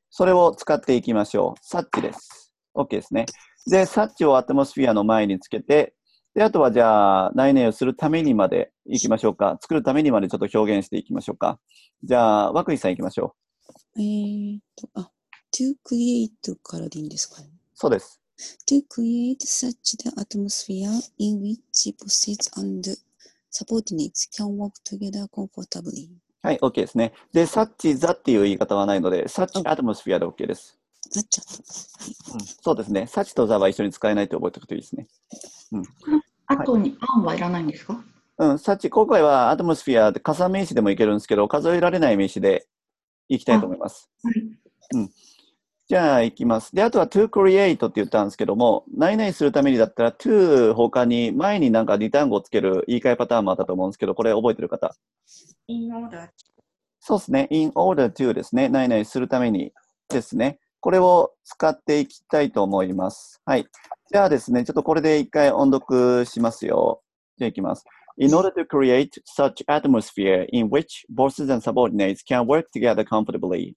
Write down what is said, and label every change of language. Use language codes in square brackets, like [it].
[ja] それを使っていきましょう。 such です。OK ですね。で、such をアトモスフィアの前につけて、で、あとはじゃあ、ないないをするためにまでいきましょうか。作るためにまでちょっと表現していきましょうか。じゃあ、和久井さんいきましょう。 [en] To create [ja] からでいいんですかね。そうです。 [en] To create such the atmosphere in which bosses and subordinates can work together comfortably. [ja] はい、OK ですね。で、such the っていう言い方はないので、such atmosphere で OK です。 [en] such、 [ja] うん。そうですね。such と the は一緒に使えないと覚えておくといいですね。うん、あとに on はいらないんですか。はい、うん、such 今回は atmosphere で加算名詞でもいけるんですけど、数えられない名詞でいきたいと思います。はい。うん。じゃあ、いきます。で、あとは、to create って言ったんですけども、何々するためにだったら、to 他に、前になんか2単語をつける言い換えパターンもあったと思うんですけど、これ覚えてる方 [en] ?in order [ja] to. そうですね。 [en] in order to [ja] ですね。何々するためにですね。これを使っていきたいと思います。はい。じゃあですね、ちょっとこれで一回音読しますよ。じゃあ、いきます。 [en] in order to create such atmosphere in which bosses and subordinates can work together comfortably.